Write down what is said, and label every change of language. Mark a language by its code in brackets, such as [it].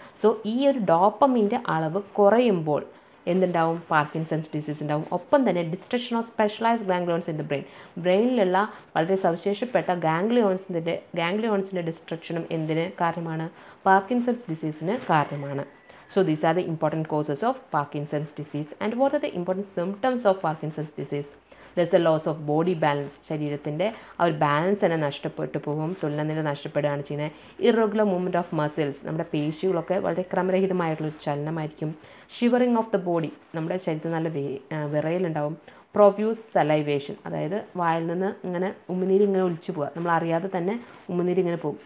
[ml] So ഈ ഒരു ഡോപ്പമിൻ്റെ അളവ് കുറയുമ്പോൾ എന്തുണ്ടാവും, പാർക്കിൻസൺസ് ഡിസീസ് ഉണ്ടാവും. ഒപ്പം തന്നെ [en] destruction of specialised ganglions in the brain, [ml] ബ്രെയിനിലുള്ള വളരെ സവിശേഷപ്പെട്ട ഗാംഗ്ലിയോൺസിൻ്റെ ഡിസ്ട്രക്ഷനും എന്തിന് കാരണമാണ്, പാർക്കിൻസൺസ് ഡിസീസിന് കാരണമാണ്. [en] So these are the important causes of Parkinson's disease. And what are the important symptoms of Parkinson's disease? There's a loss of body balance. [ml] ശരീരത്തിൻ്റെ ആ ഒരു balance തന്നെ നഷ്ടപ്പെട്ടു പോകും, തുലനനില നഷ്ടപ്പെടുകയാണ് ചെയ്യുന്നത്. [en] irregular movement of muscles, [ml] നമ്മുടെ പേശികളൊക്കെ വളരെ ക്രമരഹിതമായിട്ടുള്ളൊരു ചലനമായിരിക്കും. [en] shivering of the body, [ml] നമ്മുടെ ശരീരത്തിൽ നല്ല വിറയലുണ്ടാവും. [en] profuse salivation, [ml] അതായത് വായിൽ നിന്ന് ഇങ്ങനെ ഉമിനീരിങ്ങനെ ഒലിച്ചു പോവുക, നമ്മളറിയാതെ തന്നെ ഉമിനീരിങ്ങനെ പോകും.